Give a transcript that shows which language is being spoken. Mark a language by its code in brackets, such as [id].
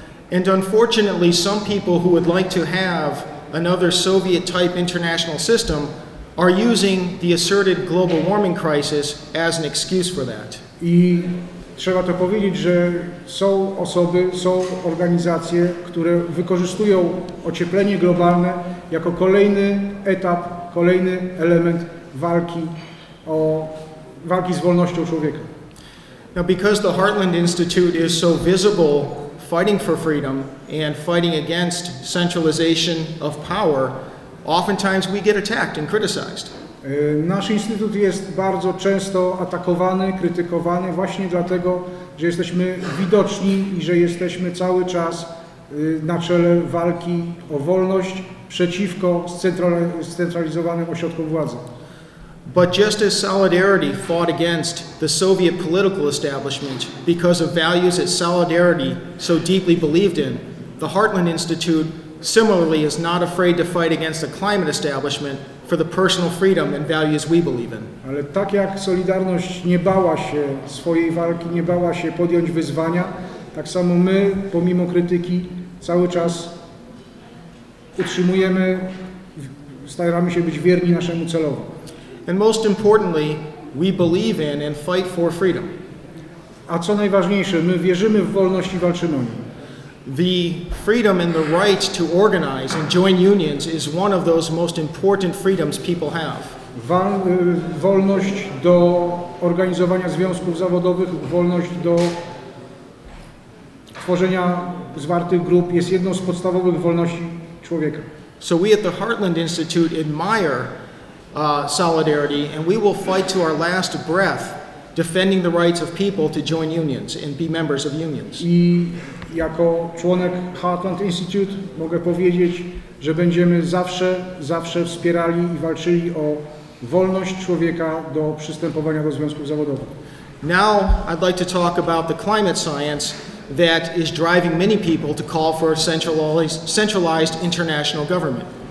[en] And unfortunately, some people who would like to have another Soviet-type international system are using the asserted global warming crisis as an excuse for that. [pl] I trzeba to powiedzieć, że są osoby, są organizacje, które wykorzystują ocieplenie globalne jako kolejny etap, kolejny element walki z wolnością człowieka. [en] Now, because the Heartland Institute is so visible fighting for freedom and fighting against centralization of power, oftentimes we get attacked and criticized. [pl] Nasz instytut jest bardzo często atakowany, krytykowany właśnie dlatego, że jesteśmy widoczni i że jesteśmy cały czas na czele walki o wolność przeciwko zcentralizowanym ośrodkom władzy. [en] But just as Solidarity fought against the Soviet political establishment because of values that Solidarity so deeply believed in, the Heartland Institute similarly is not afraid to fight against the climate establishment for the personal freedom and values we believe in. [pl] Ale tak jak Solidarność nie bała się swojej walki, nie bała się podjąć wyzwania, tak samo my, pomimo krytyki, cały czas utrzymujemy, staramy się być wierni naszemu celowi. [en] And most importantly, we believe in and fight for freedom. [pl] A co najważniejsze, my wierzymy w wolność i walczymy o nią. [en] The freedom and the right to organize and join unions is one of those most important freedoms people have. [pl] Wolność do organizowania związków zawodowych, wolność do tworzenia zwartych grup jest jedną z podstawowych wolności człowieka. [en] So we at the Heartland Institute admire Solidarity, and we will fight to our last breath defending the rights of people to join unions and be members of unions. [pl] I jako członek Heartland Institute mogę powiedzieć, że będziemy zawsze, zawsze wspierali i walczyli o wolność człowieka do przystępowania do związków zawodowych. [en] Now I'd like to talk about the climate science that is driving many people to call for a centralized international government.